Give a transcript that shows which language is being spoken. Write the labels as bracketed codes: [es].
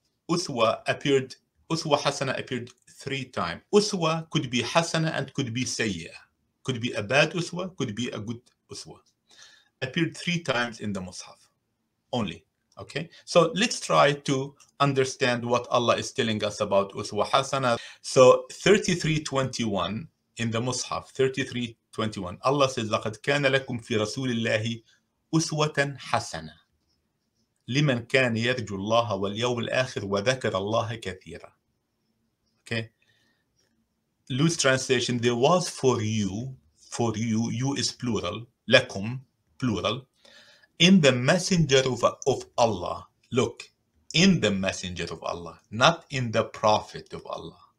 [en] Uswa hasana appeared three times. Uswa could be hasana and could be sayya. Could be a bad uswa, could be a good uswa. Appeared three times in the Mus'haf only. Okay, so let's try to understand what Allah is telling us about uswa hasana. So 33:21 in the Mus'haf, 33:21, Allah says, [ar] لَقَدْ كَانَ لَكُمْ فِي رَسُولِ اللَّهِ أُسْوَةً حَسَنًا لِمَنْ كَانَ يَرْجُ اللَّهَ وَالْيَوْمَ الْآخِرَ وَذَكَرَ اللَّهَ كَثِيرًا. [en] Okay, loose translation, there was for you, you is plural, لَكُمْ plural, in the messenger of Allah, look, in the messenger of Allah, not in the prophet of Allah.